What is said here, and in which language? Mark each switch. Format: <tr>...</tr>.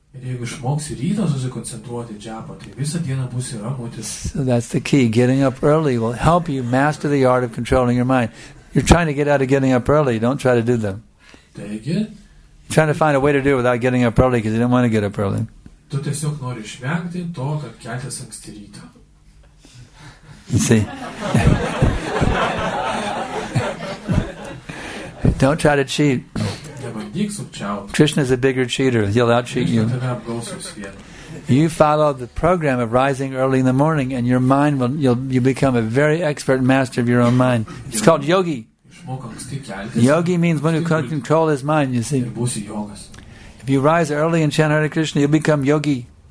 <en>So that's the key. Getting up early will help you master the art of controlling your mind. You're trying to get out of getting up early. Don't try to do that. You're trying to find a way to do it without getting up early because you don't want to get up early.</en> <lt>Tu tiesiog nori išvengti to, kad keltis anksti ryto.</lt> <en>See? Don't try to cheat.</en> <lt>Nebandyk sukčiauti.</lt> <en>Krishna is a bigger cheater. He'll out-cheat you.</en> <lt>Krishna tave apgaus vis vieną.</lt> <en>You follow the program of rising early in the morning and your mind will, you become a very expert master of your own mind. It's called yogi.</en> <lt>Išmok anksti keltis.</lt> <en>Yogi means one who can control his mind, you see.</en> <lt>Ir būsi jogas.</lt> <en>If you rise early and chant Hare Krishna, you'll become yogi.</en>